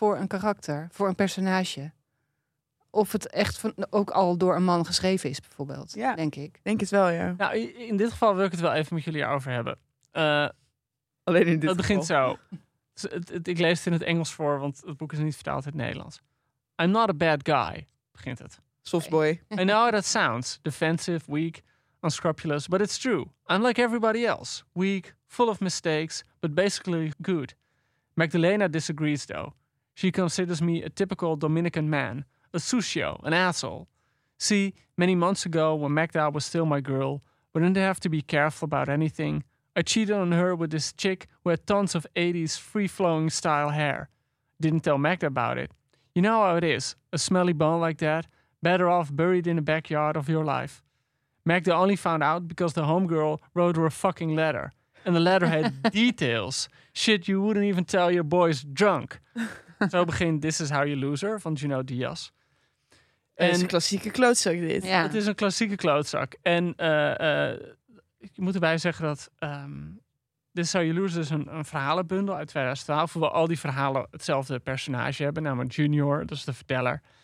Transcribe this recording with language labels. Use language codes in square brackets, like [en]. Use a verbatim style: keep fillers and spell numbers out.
[nl] Voor een karakter, voor een personage. Of het echt van, ook al door een man geschreven is, bijvoorbeeld, Ja. denk ik. Denk het wel, ja. nou, i- in dit geval wil ik het wel even met jullie over hebben. Eh, Alleen in dit Het begint geval. zo. Dus het- het- ik lees het in het Engels voor, want het boek is niet vertaald in het Nederlands. [en] I'm not a bad guy, [nl] begint het. [en] Softboy. I know that sounds defensive, weak, unscrupulous, but it's true. I'm like everybody else. Weak, full of mistakes, but basically good. Magdalena disagrees, though. She considers me a typical Dominican man, a sucio, an asshole. See, many months ago, when Magda was still my girl, wouldn't I have to be careful about anything? I cheated on her with this chick who had tons of eighties free-flowing style hair. Didn't tell Magda about it. You know how it is. A smelly bone like that, better off buried in the backyard of your life. Magda only found out because the homegirl wrote her a fucking letter. And the letter had details. Shit, you wouldn't even tell your boys drunk. [nl] Zo begint This Is How You Lose Her van Junot Diaz. Het is een klassieke klootzak dit. Ja. Het is een klassieke klootzak. En eh, eh, je moet erbij zeggen dat... ehm This Is How You Lose Her is een, een verhalenbundel uit twintig twaalf... hoewel al die verhalen hetzelfde personage hebben. Namelijk Junior, dat is de verteller.